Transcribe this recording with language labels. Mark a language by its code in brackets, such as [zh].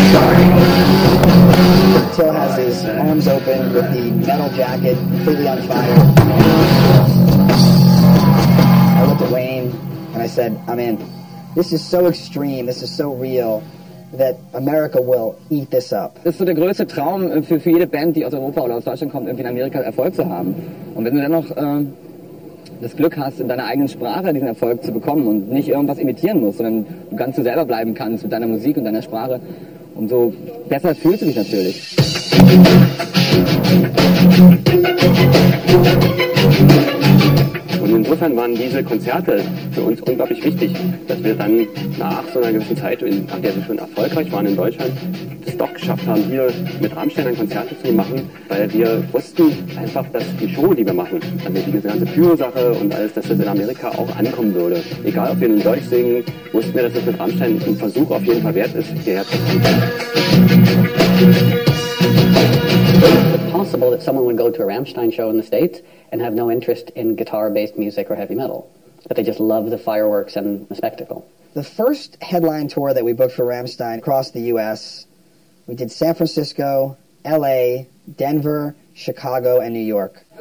[en] Till has his arms open with the metal jacket completely on fire. I looked at Wayne and I said, I'm in. This is so extreme, this is so real, that America will eat this up. [de] Das ist so der größte Traum für jede Band, die aus Europa oder aus Deutschland kommt, irgendwie in Amerika Erfolg zu haben. Und wenn du dann noch das Glück hast, in deiner eigenen Sprache diesen Erfolg zu bekommen und nicht irgendwas imitieren musst, sondern du ganz du selber bleiben kannst mit deiner Musik und deiner Sprache, umso besser fühlst du dich natürlich. Und insofern waren diese Konzerte für uns unglaublich wichtig, dass wir dann nach so einer gewissen Zeit, nach der wir schon erfolgreich waren in Deutschland, es doch geschafft haben, hier mit Rammstein dann Konzerte zu machen, weil wir wussten einfach, dass die Show, die wir machen, also diese ganze Pyro-Sache und alles, dass das in Amerika auch ankommen würde. Egal, ob wir in Deutsch singen, wussten wir, dass das mit Rammstein ein Versuch auf jeden Fall wert ist, hierher zu kommen. [en] Possible that someone would go to a Rammstein show in the States and have no interest in guitar-based music or heavy metal, but they just love the fireworks and the spectacle. The first headline tour that we booked for Rammstein across the U.S., we did San Francisco, L.A., Denver, Chicago, and New York.